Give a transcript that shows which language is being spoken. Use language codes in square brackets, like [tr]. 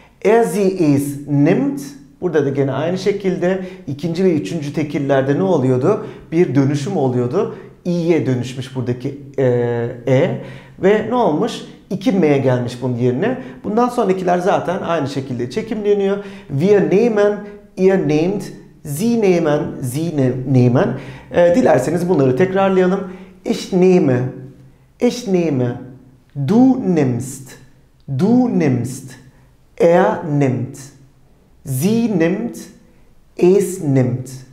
[de] Er, sie, es, nimmt. [tr] Burada da gene aynı şekilde ikinci ve üçüncü tekillerde ne oluyordu? Bir dönüşüm oluyordu. İ'ye dönüşmüş buradaki e. Ve ne olmuş? 2M'ye gelmiş bunun yerine. Bundan sonrakiler zaten aynı şekilde çekimleniyor. [de] Wir nehmen, ihr nehmt, sie nehmen, sie nehmen. [tr] Dilerseniz bunları tekrarlayalım. [de] Ich nehme, ich nehme, du nimmst, du nimmst, er nimmt, sie nimmt, es nimmt.